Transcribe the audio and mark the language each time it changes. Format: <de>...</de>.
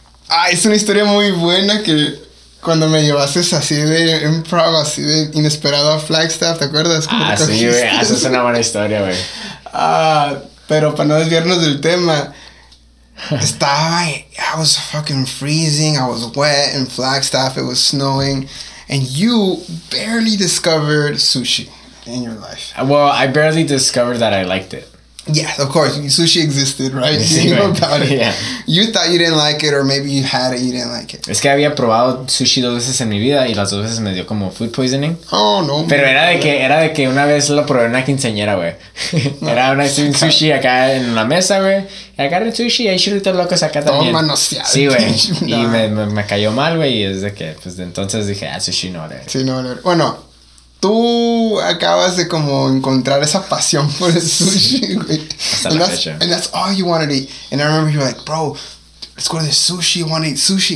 <es>Ah, es una historia muy buena que cuando me llevaste así de improv, así de inesperado a Flagstaff, ¿te acuerdas? Ah, sí, güey, eso es una buena historia, güey. Ah, pero para no desviarnos del tema, estaba,</es> <en>I was fucking freezing, I was wet in Flagstaff, it was snowing, and you barely discovered sushi in your life. Well, I barely discovered that I liked it. Yes, of course. Sushi existed, right?</en> <es>Sí,</es> <en>you know about it. Yeah. You thought you didn't like it, or maybe you had it, you didn't like it.</en> <es>Es que había probado sushi dos veces en mi vida, y las dos veces me dio como</es> <en>food poisoning.</en> <es>Oh, no. Pero era de que una vez lo probé en una quinceañera, güey. No. Era una un sushi acá en la mesa, güey. Agarré el sushi, hay churritos locos acá también. Todo manoseado. Sí, güey. No. Y me cayó mal, güey, y es de que, pues, de entonces dije, sushi no, güey. Sí, no, no. Bueno. Tú acabas de como encontrar esa pasión por el sushi, güey.</es> <en>And that's all you wanted to eat. And I remember you were like, bro, let's go to the sushi, I want to eat sushi.</en>